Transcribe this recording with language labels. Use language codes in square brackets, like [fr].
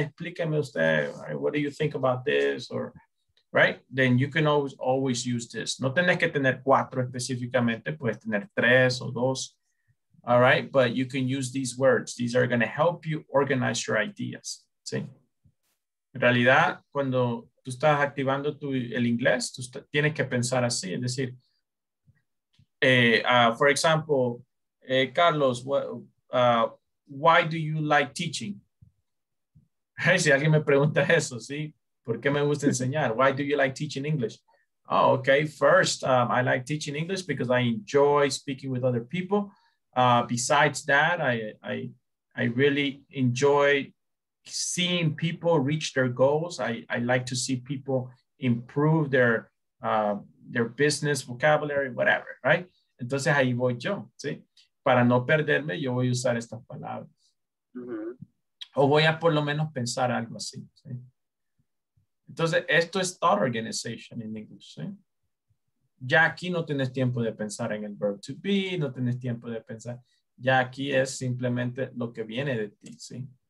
[es] Explíqueme usted, [en] right, what do you think about this? Or, right? Then you can always use this. [es] No tenés que tener cuatro específicamente, puedes tener tres o dos. [en] All right? But you can use these words. These are going to help you organize your ideas. [es] ¿Sí? En realidad, cuando tú estás activando el inglés, tú tienes que pensar así. Es decir, [en] for example, Carlos, why do you like teaching? [es] Si alguien me pregunta eso, ¿sí? ¿Por qué me gusta enseñar? [en] Why do you like teaching English? Oh, okay. First, I like teaching English because I enjoy speaking with other people. Besides that, I really enjoy seeing people reach their goals. I like to see people improve their business vocabulary, whatever, right? [es] Entonces, ahí voy yo, ¿sí? Para no perderme, yo voy a usar estas palabras. Mm-hmm. O voy a por lo menos pensar algo así, ¿sí? Entonces, esto es thought organization en inglés, ¿sí? Ya aquí no tienes tiempo de pensar en el verb to be, no tienes tiempo de pensar. Ya aquí es simplemente lo que viene de ti, ¿sí?